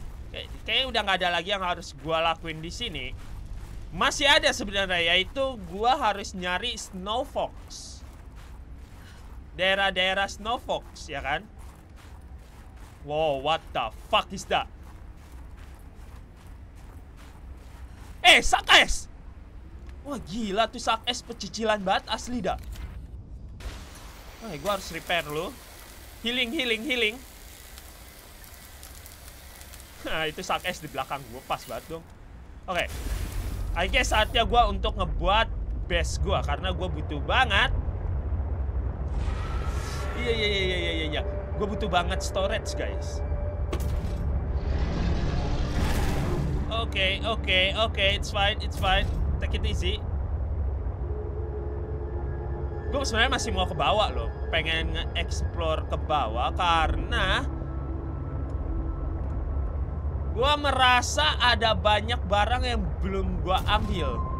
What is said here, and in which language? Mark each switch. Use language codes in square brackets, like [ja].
[id] Okay, kayaknya udah enggak ada lagi yang harus gua lakuin di sini. Masih ada sebenarnya, yaitu gua harus nyari Snow Fox. Daerah-daerah Snow Fox, ya kan? [en] Wow, what the fuck is that? [id] Eh, Sakes! Wah, gila tuh Sakes pecicilan banget, asli dah. Eh, gua harus repair lu. Healing. Nah, itu Sakes di belakang gua, pas banget dong. Oke. Okay. [en] I guess [id] saatnya gua untuk ngebuat base gua, karena gua butuh banget. Iya. Gua butuh banget storage, guys. [en] Okay, it's fine, take it easy. [id] Gue sebenarnya masih mau ke bawah loh, pengen nge-explore ke bawah karena gue merasa ada banyak barang yang belum gue ambil.